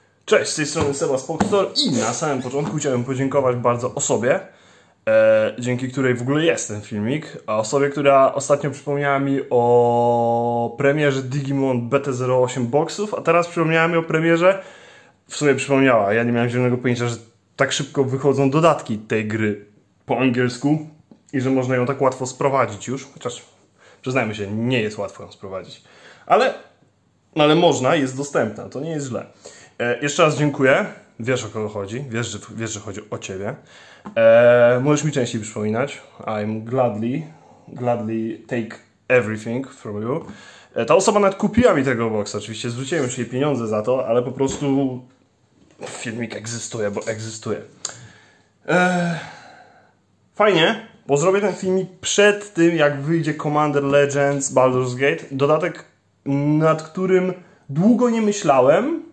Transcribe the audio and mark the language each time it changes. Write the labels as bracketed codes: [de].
[pl] Cześć, z tej strony Seba z Pokestore i na samym początku chciałbym podziękować bardzo osobie, dzięki której w ogóle jest ten filmik, a osobie, która ostatnio przypomniała mi o premierze Digimon BT08 Boxów, a teraz przypomniała mi o premierze, w sumie przypomniała, ja nie miałem zielonego pojęcia, że tak szybko wychodzą dodatki tej gry po angielsku i że można ją tak łatwo sprowadzić już, chociaż przyznajmy się, nie jest łatwo ją sprowadzić, ale można, jest dostępna, to nie jest źle. Jeszcze raz dziękuję. Wiesz, o kogo chodzi. Wiesz, że chodzi o ciebie. Możesz mi częściej przypominać. [en] I'm gladly take everything from you. [pl] Ta osoba nawet kupiła mi tego boxa. Oczywiście zwróciłem już jej pieniądze za to, ale po prostu filmik egzystuje, bo egzystuje. Fajnie, bo zrobię ten filmik przed tym, jak wyjdzie Commander Legends Baldur's Gate. Dodatek, nad którym długo nie myślałem.